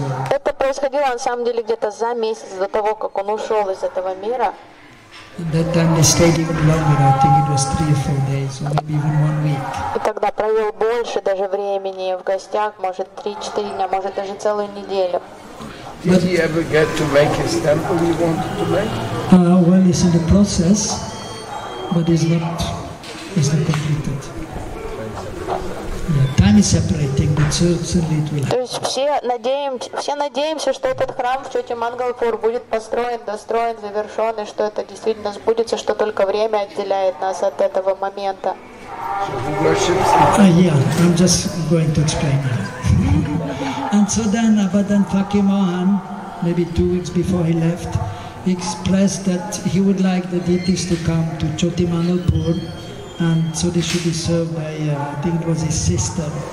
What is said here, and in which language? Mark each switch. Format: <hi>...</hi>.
<ru>Это происходило, на самом деле, где-то за месяц до того, как он ушел из этого мира.</ru> <en>And that time they stayed even longer, I think it was 3 or 4 days, or maybe even 1 week.</en> <ru>И тогда провел больше даже времени в гостях, может 3-4 дня, может даже целую неделю.</ru> <en>Did he ever get to make his temple he wanted to make? Well, it's in the process, but it's not completed. Yeah, time is separating, but certainly it will happen.</en> <ru>То есть все надеемся, что этот храм в Чоте Мангалпур будет построен, достроен, завершен, и что это действительно сбудется, что только время отделяет нас от этого момента.</ru> <en>So he worships. I'm just going to explain that. And so then Abadan Fakir Mohan, maybe 2 weeks before he left, he expressed that he would like the deities to come to Choti Manopur, and so they should be served by, I think it was his sister.</en>